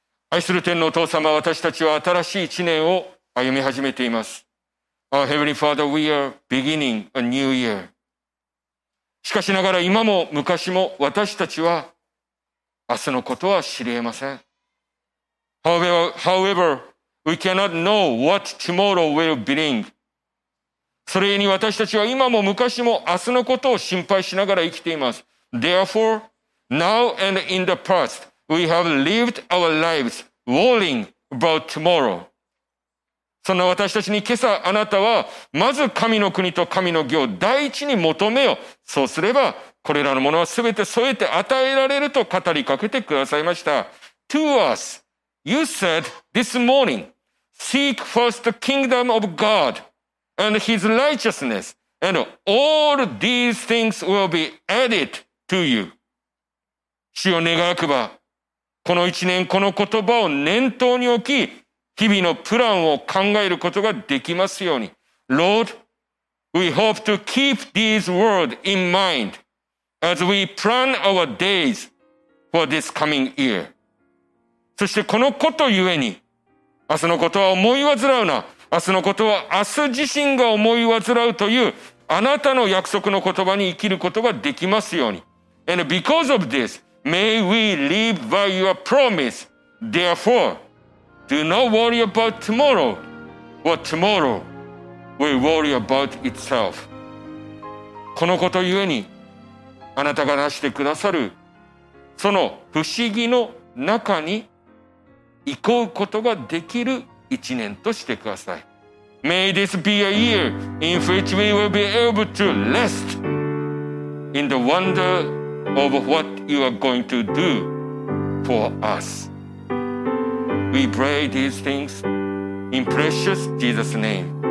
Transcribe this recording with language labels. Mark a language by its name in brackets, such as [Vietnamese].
[Japanese] 愛する天のお父様、私たちは新しい一年を歩み始めています。 [English] Our Heavenly Father, we are beginning a new year。 [Japanese] しかしながら今も昔も私たちは明日のことは知り得ません。 [English] However, we cannot know what tomorrow will bring。 [Japanese] それに私たちは今も昔も明日のことを心配しながら生きています。 [English] Therefore, now and in the past, we have lived our lives worrying about tomorrow。 [Japanese] そんな私たちに今朝あなたはまず神の国と神の義を第一に求めよ、そうすればこれらのものは全て添えて与えられると語りかけてくださいました。 [English] To us, you said this morning, seek first the kingdom of God and his righteousness, and all these things will be added to you。 [Japanese] 主を願わくば、この一年この言葉を念頭に置き、日々のプランを考えることができますように。 [English] Lord, we hope to keep these words in mind as we plan our days for this coming year。 [Japanese] そしてこのことゆえに、明日のことは思い煩うな。明日のことは明日自身が思い煩うという、あなたの約束の言葉に生きることができますように。 [English] And because of this,May we live by your promise. Therefore, do not worry about tomorrow, for tomorrow will worry about itself. [Japanese] このことゆえに、あなたがなしてくださる、その不思議の中に行こうことができる一年としてください。 [English] May this be a year in which we will be able to rest in the wonder of what you are going to do for us. We pray these things in precious Jesus' name.